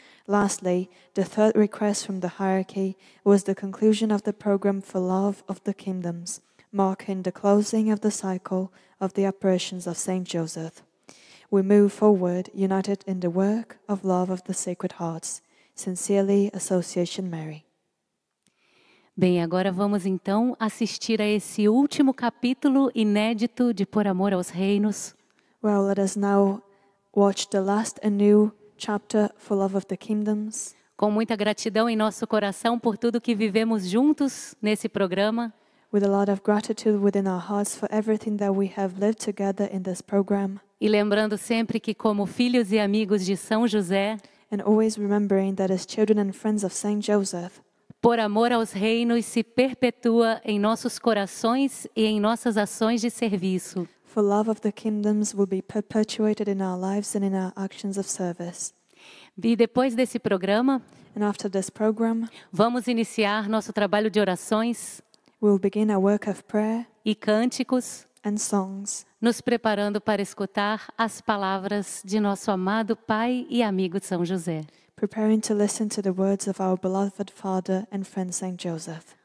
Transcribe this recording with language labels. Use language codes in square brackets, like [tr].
[en] Lastly, the third request from the hierarchy was the conclusion of the program for love of the kingdoms, marking the closing of the cycle of the apparitions of Saint Joseph. We move forward, united in the work of love of the Sacred Hearts. Sincerely, Association Mary. [pt] Bem, agora vamos então assistir a esse último capítulo inédito de Por Amor aos Reinos. [en] Well, let us now watch the last and new chapter for Love of the Kingdoms. [pt] Com muita gratidão em nosso coração por tudo que vivemos juntos nesse programa. [en] With a lot of gratitude within our hearts for everything that we have lived together in this program. [pt] E lembrando sempre que como filhos e amigos de São José, [en] and always remembering that as children and friends of Saint Joseph, [pt] por amor aos reinos se perpetua em nossos corações e em nossas ações de serviço. [en] For love of the kingdoms will be perpetuated in our lives and in our actions of service. [pt] E depois desse programa, [en] and after this program, [pt] vamos iniciar nosso trabalho de orações, [en] we'll begin our work of prayer, [pt] e cânticos, [en] and songs, [pt] nos preparando para escutar as palavras de nosso amado pai e amigo São José. [en] Preparing to listen to the words of our beloved father and friend Saint Joseph.